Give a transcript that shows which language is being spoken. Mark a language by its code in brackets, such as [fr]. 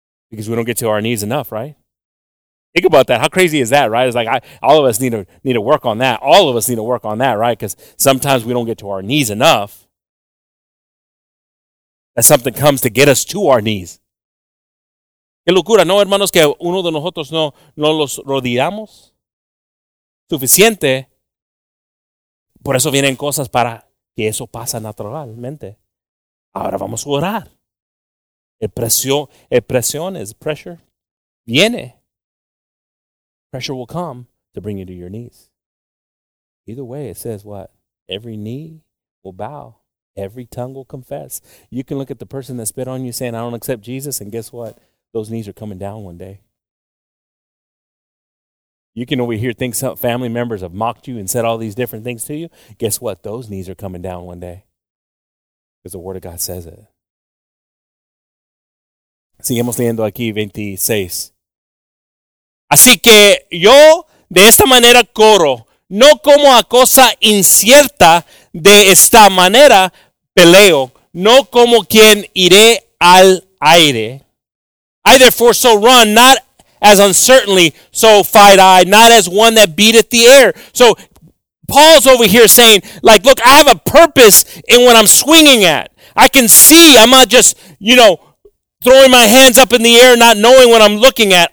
[en] Because we don't get to our knees enough, right? Think about that. How crazy is that, right? It's like all of us need to work on that. All of us need to work on that, right? Because sometimes we don't get to our knees enough. That something comes to get us to our knees. [es] Qué locura, ¿no, hermanos? Que uno de nosotros no los rodeamos suficiente. Por eso vienen cosas para que eso pasa naturalmente. Ahora vamos a orar. Pressure viene. [en] Pressure will come to bring you to your knees. Either way, it says what? Every knee will bow. Every tongue will confess. You can look at the person that spit on you saying, I don't accept Jesus, and guess what? Those knees are coming down one day. You can over here think some family members have mocked you and said all these different things to you. Guess what? Those knees are coming down one day. Because the Word of God says it. [es] Seguimos leyendo aquí 26. Así que yo de esta manera corro, no como a cosa incierta, de esta manera peleo, no como quien iré al aire. [en] I therefore so run, not as uncertainly, so fight I, not as one that beateth the air. So Paul's over here saying, like, look, I have a purpose in what I'm swinging at. I can see, I'm not just, you know, throwing my hands up in the air, not knowing what I'm looking at.